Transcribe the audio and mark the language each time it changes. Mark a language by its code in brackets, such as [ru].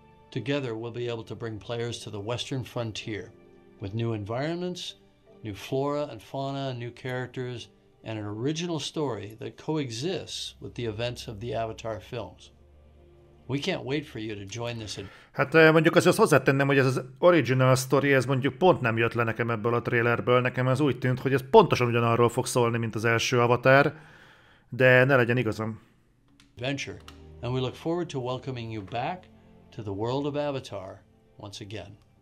[en] Together, we'll be able to bring players to the Western frontier with new environments, new flora and fauna, new characters, and an original story that coexists with the events of the Avatar films. We can't wait for you to join this. [hu] Hát mondjuk azt hozzátenném, hogy ez az original story, ez mondjuk pont nem jött le nekem ebből a trailerből. Nekem az úgy tűnt, hogy ez pontosan ugyanarról fog szólni, mint az első Avatar, de ne legyen igazam. [en] Adventure. And we look forward to welcoming you back to the world of Avatar once again.